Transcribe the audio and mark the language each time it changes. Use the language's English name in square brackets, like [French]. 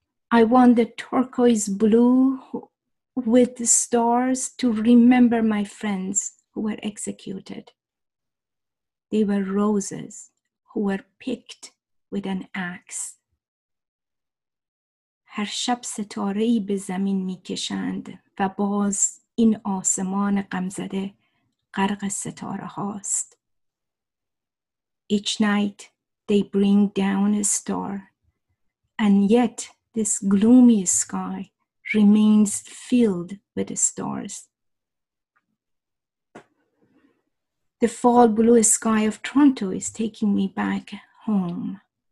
[English] I want the turquoise blue with the stars to remember my friends who were executed. They were roses who were picked with an axe. [Persian] هر شب ستاره‌ای به زمین می‌کشند و باز این آسمان غم‌زده غرق ستاره هاست. [English] Each night they bring down a star, and yet this gloomy sky remains filled with stars. The fall blue sky of Toronto is taking me back home.